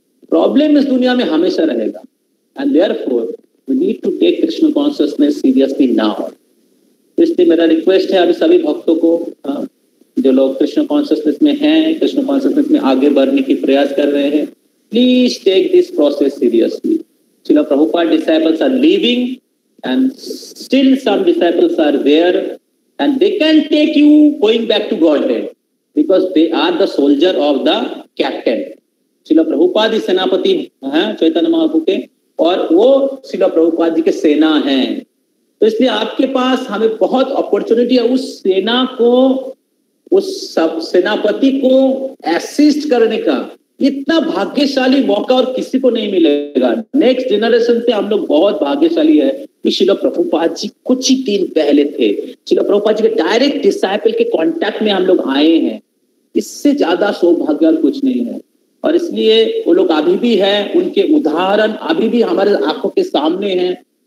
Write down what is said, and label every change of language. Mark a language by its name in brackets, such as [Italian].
[Hindi] Problem इस दुनिया में हमेशा रहेगा, [English] And therefore we need to take Krishna consciousness seriously now. [Hindi] इसलिए मेरा रिक्वेस्ट है अभी सभी भक्तों को, जो लोग कृष्ण कॉन्शियसनेस में हैं, कृष्ण कॉन्शियसनेस में आगे बढ़ने की प्रयास कर रहे हैं, [English] Please take this process seriously. [Hindi] Srila Prabhupada [English] Disciples are leaving and still some disciples are there and they can take you going back to Godhead because they are the soldier of the captain. [Hindi] Srila Prabhupada is senapati hai Chaitanya Mahaprabhu ke aur wo Srila Prabhupada ji ke sena hai. To isliye aapke paas hame bahut opportunity hai us sena ko उस सब सेनापति को assist करने का. इतना भाग्यशाली मौका और किसी को नहीं मिलेगा. नेक्स्ट जनरेशन से हम लोग बहुत भाग्यशाली है कि श्रील प्रभुपाद जी कुछ ही दिन पहले थे. श्रील प्रभुपाद जी के डायरेक्ट डिसाइपल के कांटेक्ट में हम लोग आए हैं. इससे ज्यादा सौभाग्य और कुछ नहीं है. और इसलिए वो लोग अभी भी है, उनके उदाहरण अभी भी हमारे आंखों के सामने है.